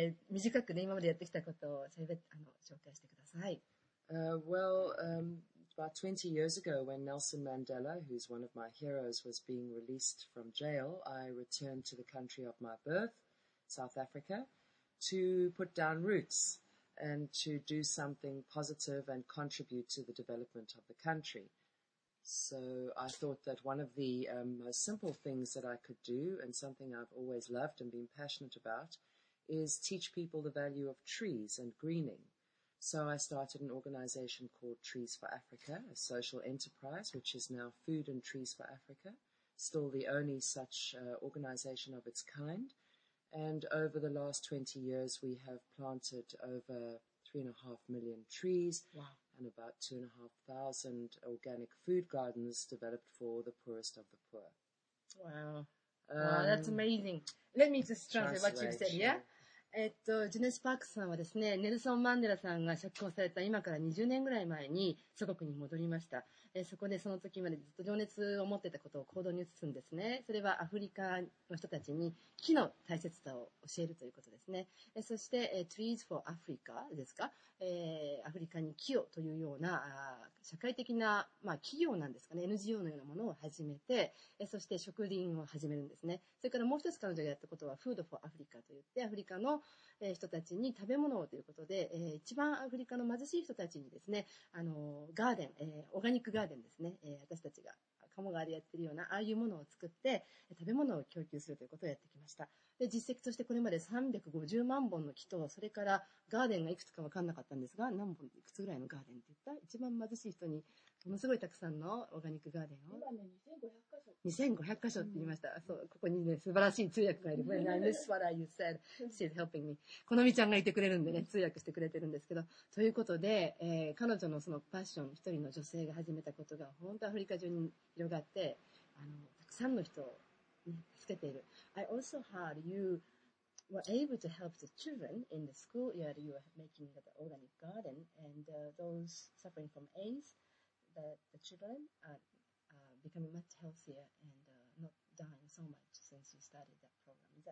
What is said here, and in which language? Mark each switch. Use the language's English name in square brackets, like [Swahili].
[Japanese] 短くね、今までやってきたことを紹介してください。 [English] About 20 years ago, when Nelson Mandela, who's one of my heroes, was being released from jail, I returned to the country of my birth, South Africa, to put down roots and to do something positive and contribute to the development of the country. So I thought that one of the most simple things that I could do, and something I've always loved and been passionate about, is teach people the value of trees and greening. So I started an organization called Trees for Africa, a social enterprise, which is now Food and Trees for Africa, still the only such organization of its kind. And over the last 20 years, we have planted over 3.5 million trees. Wow. And about 2,500 organic food gardens developed for the poorest of the poor. Wow. That's amazing. Let me just translate what you said, yeah? [Japanese] ジュネス・パークスさんはですね、ネルソン・マンデラさんが釈放された今から20年ぐらい前に祖国に戻りました。そこでその時までずっと情熱を持ってたことを行動に移すんですね。それはアフリカの人たちに木の大切さを教えるということですね。そして、Trees for Africa ですか、アフリカに木をというような社会的な、まあ、企業なんですかね、NGO のようなものを始めて、そして植林を始めるんですね。それからもう一つ彼女がやったことは Food for Africa といって、アフリカの人たちに食べ物をということで、一番アフリカの貧しい人たちにですね、ガーデン、オーガニックガーデンですね、私たちが鴨川でやっているようなああいうものを作って食べ物を供給するということをやってきました。で、実績としてこれまで350万本の木と、それからガーデンがいくつか分かんなかったんですが、何本、いくつぐらいのガーデンっていった、一番貧しい人にものすごいたくさんのオーガニックガーデンを、今ね、 2500箇所って言いました。そう、ここにね、素晴らしい通訳がいる。 [English] When I miss what you said, she's helping me. [Japanese] このみちゃんがいてくれるんでね、通訳してくれてるんですけど。ということで、彼女のそのパッション、一人の女性が始めたことが、本当アフリカ中に広がって、たくさんの人を、ね、助けている。 [English] I also heard you were able to help the children in the schoolyard you were making that organic garden and those suffering from AIDS, the children are,becoming much healthier and not dying so much since you started that program.